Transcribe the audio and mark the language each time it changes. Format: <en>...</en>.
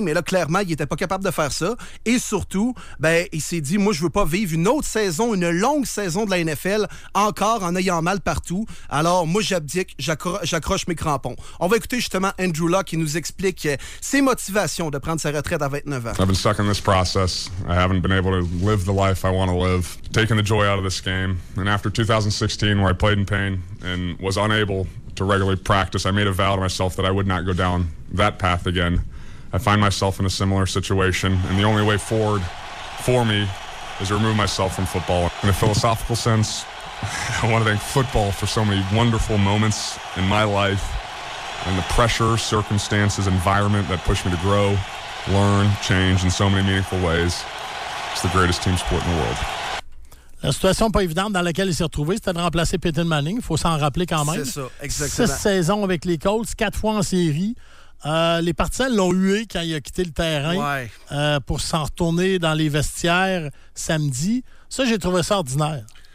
<fr>Mais là, clairement, il n'était pas capable de faire ça. Et surtout, ben, il s'est dit, moi, je ne veux pas vivre une autre saison, une longue saison de la NFL, encore en ayant mal partout. Alors, moi, j'abdique, j'accroche mes crampons. On va écouter justement Andrew Luck qui nous explique ses motivations de prendre sa retraite à 29 ans.</fr> <en>I've been stuck in this process. I haven't been able to live the life I want to live. Taking the joy out of this game. And after 2016, where I played in pain and was unable to regularly practice, I made a vow to myself that I would not go down that path again. I find myself in a similar situation, and the only way forward for me is to remove myself from football. In a philosophical sense, I want to thank football for so many wonderful moments in my life and the pressure, circumstances, environment that pushed me to grow, learn, change in so many meaningful ways. It's the greatest team sport in the world.</en> <fr>La situation pas évidente dans laquelle il s'est retrouvé, c'était de remplacer Peyton Manning. Il faut s'en rappeler quand même. C'est ça, exactement. 6 saisons avec les Colts, 4 fois en série. Les partisans l'ont hué quand il a quitté le terrain pour s'en retourner dans les vestiaires samedi. Ça, j'ai trouvé ça ordinaire.</fr>